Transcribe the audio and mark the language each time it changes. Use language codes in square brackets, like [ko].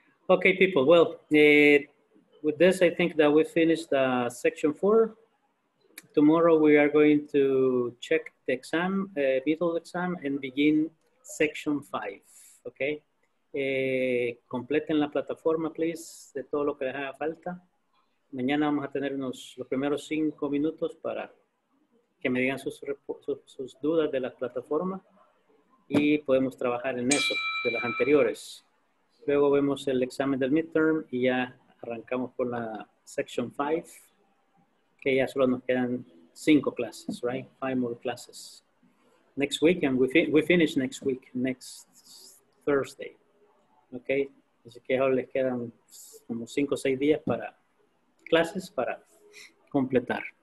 [en] Okay, people, well, with this, I think that we finished section 4. Tomorrow we are going to check the exam, middle exam, and begin section 5, okay? [es] Completen la plataforma, please, de todo lo que les haga falta. Mañana vamos a tener los primeros 5 minutos para que me digan sus dudas de las plataformas y podemos trabajar en eso, de las anteriores. Luego vemos el examen del midterm y ya arrancamos con la section 5, que ya solo nos quedan 5 clases, right? [en] 5 more classes. Next week, and we finish next week, next Thursday. [es] Okay, así que ahora les quedan como 5 o 6 días para clases para completar.